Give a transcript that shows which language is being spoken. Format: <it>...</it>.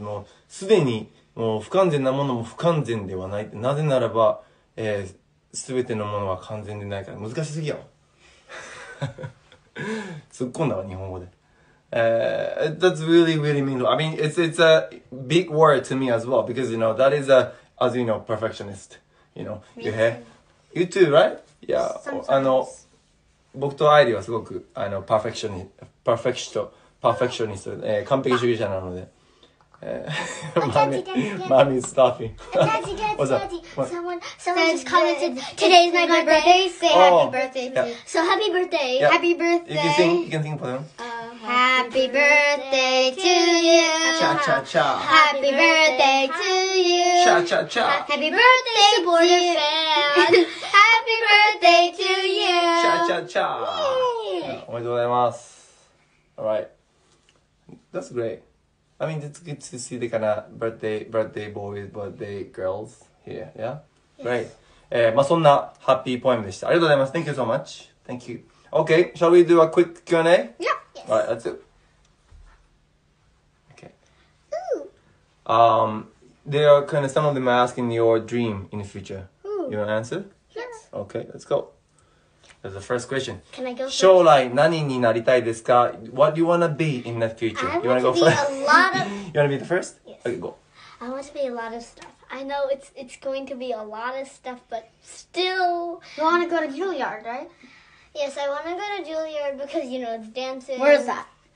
<ja>もうすでにもう不完全なものも不完全ではない。なぜならば、すべてのものは完全でないから難しすぎよ。突っ込んだわ日本語で。</ja> <en>That's really, really meaningful. I mean, it's a big word to me as well because you know that is a as you know perfectionist. You know, you hear? You too, right? Yeah. Sometimes.</en> <ja>僕とアイリーはすごくperfectionist, 完璧主義者なので。</ja> <en>Mommy's stopping. What's up? Someone's commented, today's my birthday. Say happy birthday. So happy birthday. Yeah. Happy birthday. You can sing for them. Happy birthday to you. Cha cha cha. Happy birthday to you. Cha cha cha. Happy birthday to you. Happy birthday to you. Cha cha cha.</en> <ja>おめでとうございます。</ja> <en>All right. That's great. I mean, it's good to see the kind of birthday boys, birthday girls here. Yeah? Yes. Great.</en> <ja>まあ、そんなハッピーポエムでした。ありがとうございます。</ja> <en>Thank you so much. Thank you. Okay, shall we do a quick Q&A? Yeah. Yes. All right, let's do. Okay. Ooh. There are kind of some of them are asking your dream in the future. Ooh. You want to answer? Yes. Okay, let's go. That's the first question. Can I go first?</en> <ja>将来何になりたいですか?</ja> <en>What do you want to be in the future? I want to be a lot of... You want to be the first? Yes. Okay, go. I want to be a lot of stuff. I know it's going to be a lot of stuff, but still... You want to go to Juilliard, right? Yes, I want to go to Juilliard because, you know, it's dancing. Where is that?</en>